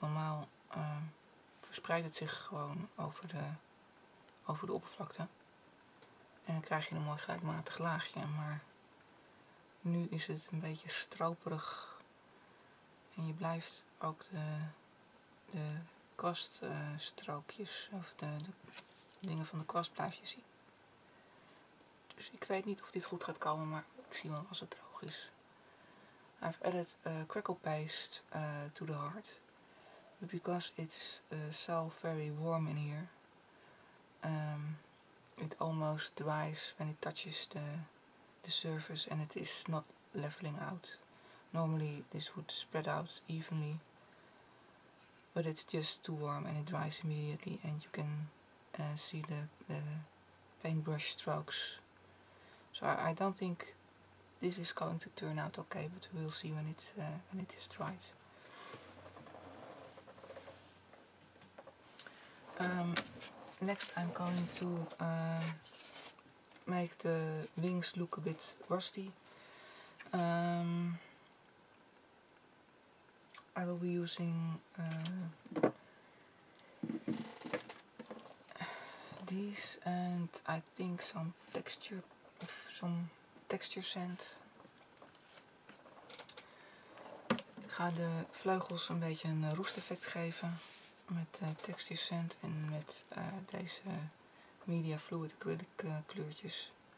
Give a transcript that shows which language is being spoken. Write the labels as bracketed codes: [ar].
[nl] Normaal verspreidt het zich gewoon over de oppervlakte en dan krijg je een mooi gelijkmatig laagje, maar nu is het een beetje stroperig en je blijft ook de kwaststrookjes of de dingen van de kwast blijf je zien. Dus ik weet niet of dit goed gaat komen, maar ik zie wel als het droog is. [en] I've added crackle paste to the heart. But because it's so very warm in here, it almost dries when it touches the surface and it is not leveling out. Normally this would spread out evenly. But it's just too warm and it dries immediately. And you can see the paintbrush strokes. So I don't think this is going to turn out okay, but we'll see when it is dried. Next I'm going to make the wings look a bit rusty. I will be using these and I think some texture sand. [nl] Ik ga de vleugels een beetje een roesteffect geven met texture sand en met deze media fluid acrylic kleurtjes.